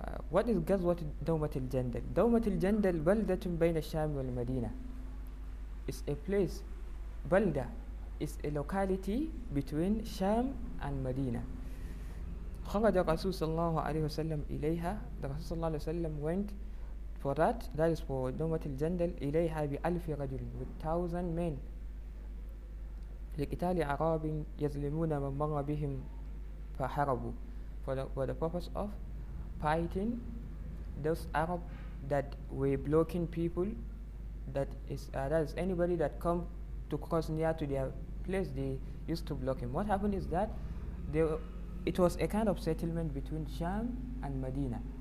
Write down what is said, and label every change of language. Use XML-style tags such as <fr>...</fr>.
<en>What is</en> <ar>غزوة دومة الجندل? دومة الجندل بلدة بين الشام والمدينة.</ar> <en>It's a place. بلدة is a locality between Sham and Medina.</en> <ar>خرج الرسول صلى الله عليه وسلم إليها.</ar> <en>The Rasul</en> <ar>صلى الله عليه وسلم</ar> <en>went for that is for</en> <ar>دومة الجندل, إليها بألف رجل,</ar> <en>with 1,000 men.</en> <ar>لقتال عرب يظلمون من مر بهم فحربوا.</ar> <en>For the purpose of fighting those Arab that were blocking people, that is anybody that come to cross near to their place, they used to block him. What happened is that it was a kind of settlement between Sham and Medina.</en>